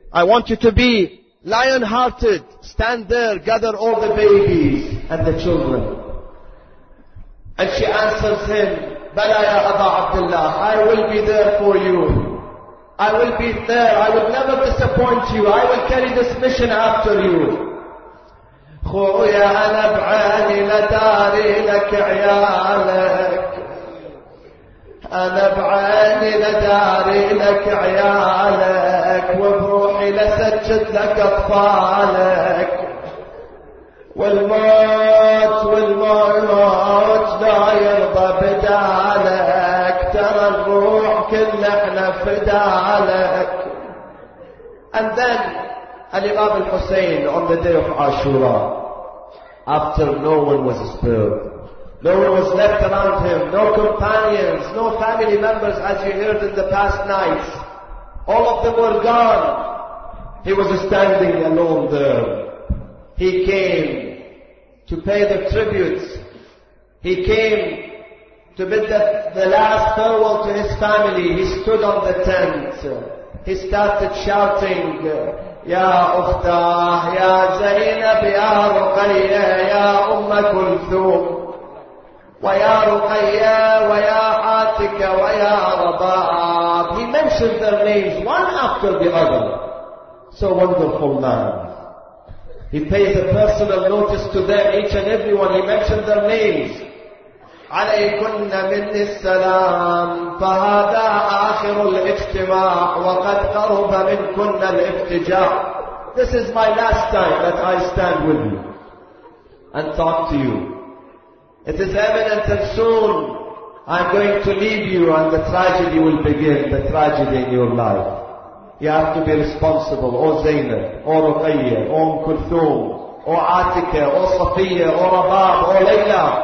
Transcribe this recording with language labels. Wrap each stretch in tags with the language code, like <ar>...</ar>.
<en>I want you to be lion-hearted. Stand there, gather all the babies and the children. And she answers him, Bala ya Aba Abdullah, I will be there for you. I will be there. I will never disappoint you. I will carry this mission after you.</en> <ar>خويا انا بعاني لا داري لك عيالك انا بعاني لا داري لك عيالك وبروحي لسجد لك اطفالك والموت والموت لا يرضى بدالك ترى الروح كل احنا فدالك.</ar> <en>And then الامام الحسين on the day of Ashura, after no one was spared, no one was left around him, no companions, no family members, as you heard in the past nights, all of them were gone. He was standing alone there. He came to pay the tributes. He came to bid the last farewell to his family. He stood on the tent. He started shouting, Ya Uftah, Ya Zainab, Ya Ruqayya, Ya Umm Kulthum, Wa Ya Ruqayya, Wa Ya Atika, Wa Ya Rabab. He mentioned their names one after the other. So wonderful man. He pays a personal notice to them, each and everyone. He mentioned their names.</en> <ar>عليكن من السلام فهذا آخر الاجتماع وقد قرب منكن الافتجاع.</ar> <en>This is my last time that I stand with you and talk to you. It is evident that soon I'm going to leave you and the tragedy will begin, the tragedy in your life. You have to be responsible. O Zainab, O Ruqayya, O Umm Kulthum, O Atika, O Safiya, O Rabab, O Layla.</en>